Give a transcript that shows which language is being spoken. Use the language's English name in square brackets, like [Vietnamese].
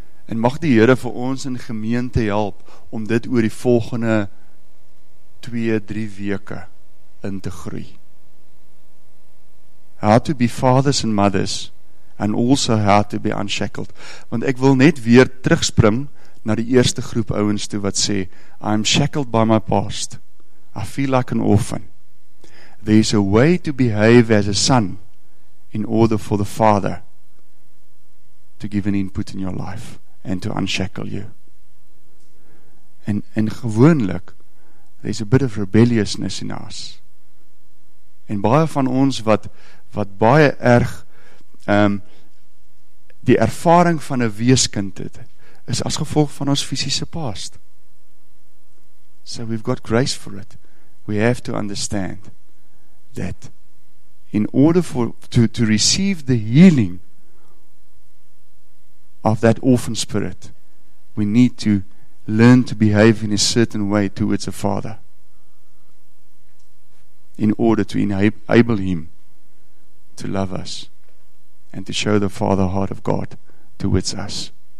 [Afrikaans] En mag die Here vir ons in gemeente help om dit oor die volgende 2-3 weke in te groei. [English] How to be fathers and mothers and also how to be unshackled. [Afrikaans] Want ek wil net weer terugspring na die eerste groep ouens toe wat sê, [English] I'm shackled by my past. I feel like an orphan. There's a way to behave as a son in order for the father to give an input in your life and to unshackle you. [Afrikaans] En gewoonlik, [English] there's a bit of rebelliousness in us. [Afrikaans] En baie van ons wat baie erg die ervaring van 'n weeskind het, is as gevolg van ons fisiese past. [English] So we've got grace for it. We have to understand that in order to receive the healing of that orphan spirit, we need to learn to behave in a certain way towards a father in order to enable him to love us and to show the father heart of God towards us.